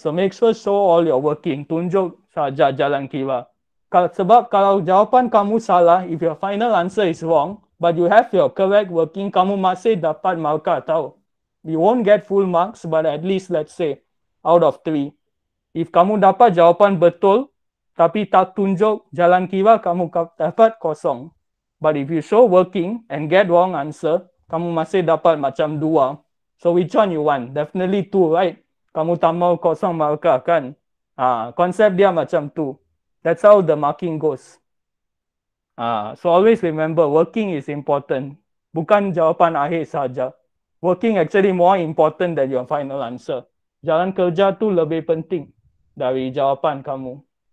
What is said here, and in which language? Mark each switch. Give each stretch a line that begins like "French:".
English: So make sure show all your working,
Malay: tunjuk saja jalan kira. Sebab kalau jawapan kamu salah,
English: if your final answer is wrong, but you have your correct working,
Malay: kamu masih dapat markah tau.
English: You won't get full marks, but at least let's say out of 3.
Malay: If kamu dapat jawapan betul, tapi tak tunjuk jalan kira, kamu dapat kosong.
English: But if you show working and get wrong answer,
Malay: kamu masih dapat macam 2.
English: So which one you want? Definitely 2, right?
Malay: Kamu tak mau kosong markah kan? Konsep dia macam 2.
English: That's how the marking goes. So always remember, working is important.
Malay: Bukan jawapan akhir saja.
English: Working actually more important than your final answer.
Malay: Jalan kerja tu lebih penting dari jawapan kamu.